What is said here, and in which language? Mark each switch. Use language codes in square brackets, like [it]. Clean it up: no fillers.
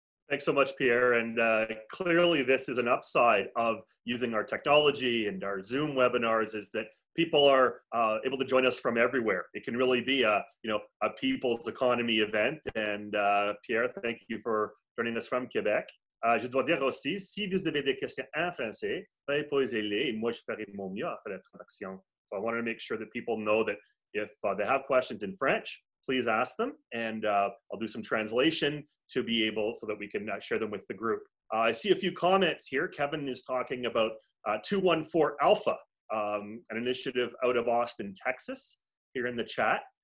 [en] Thanks so much, Pierre. And clearly this is an upside of using our technology and our Zoom webinars, is that people are able to join us from everywhere. It can really be a people's economy event. And Pierre, thank you for joining us from Quebec. [fr] Je dois dire aussi, si vous avez des questions en français, vous pouvez poser-les, et moi je ferai mon mieux après la traduction. [en] So I wanted to make sure that people know that if they have questions in French, please ask them, and I'll do some translation to be able so that we can share them with the group. I see a few comments here. Kevin is talking about 214 Alpha, an initiative out of Austin, Texas, here in the chat.